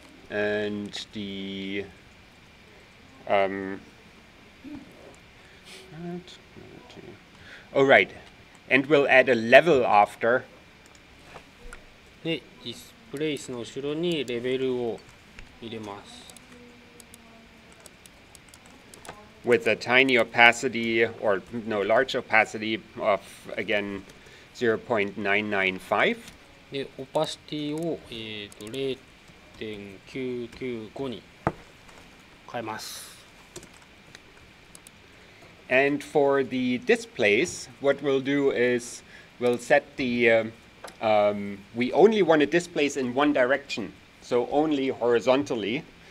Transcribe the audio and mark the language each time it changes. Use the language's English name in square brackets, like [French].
[English] And the, all right. And we'll add a level after. [Japanese] で、ディスプレイスの後ろにレベルを入れます。 [English] With a tiny opacity, or no, large opacity of, again, 0.995. [Japanese] で、オパシティを、0.995 に変えます。 [English] And for the displace, what we'll do is, we'll set the, we only want to displace in one direction, so only horizontally.